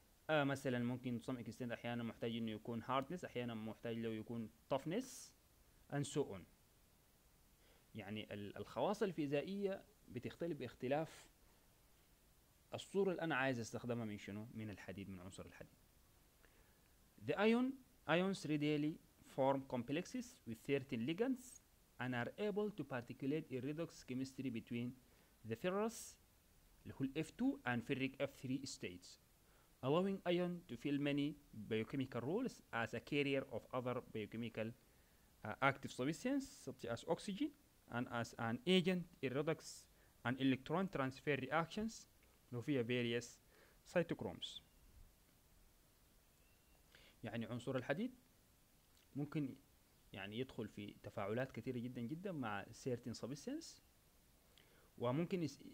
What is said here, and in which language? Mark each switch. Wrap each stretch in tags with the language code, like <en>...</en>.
<ar>مثلا ممكن صمغ اكستين احيانا محتاج انه يكون هاردنس احيانا محتاج لو يكون طفنس</ar> <en>and so on.</en> <ar>يعني الخواص الفيزيائيه بتختلف باختلاف الصوره اللي انا عايز استخدمها من شنو من الحديد من عنصر الحديد.</ar> <en>The ions readily form complexes with certain ligands and are able to particulate in redox chemistry between the ferrous F2 and ferric F3 states, allowing iron to fill many biochemical roles as a carrier of other biochemical active substances such as oxygen and as an agent in redox and electron transfer reactions via various cytochromes.</en> <ar>يعني عنصر الحديد ممكن يعني يدخل في تفاعلات كثيرة جدا جدا مع</ar> <en>certain substances</en> <ar>وممكن</ar>